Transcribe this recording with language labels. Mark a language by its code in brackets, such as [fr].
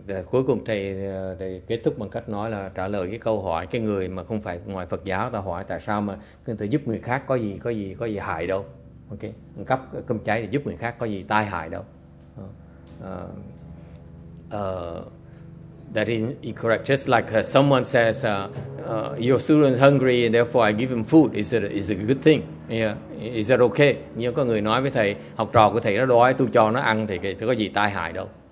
[vi] Cuối cùng thầy kết thúc bằng cách nói là trả lời cái câu hỏi cái người mà không phải ngoài Phật giáo ta hỏi tại sao mà người ta giúp người khác có gì hại đâu. Okay? Ăn cắp cơm cháy thì giúp người khác có gì tai hại đâu. [en] That is incorrect. Just like someone says, your student is hungry, and therefore I give him food. Is it a good thing? Yeah. Is that okay? [vi] Nhưng có người nói với thầy, học trò của thầy nó đói, tôi cho nó ăn thì có gì tai hại đâu.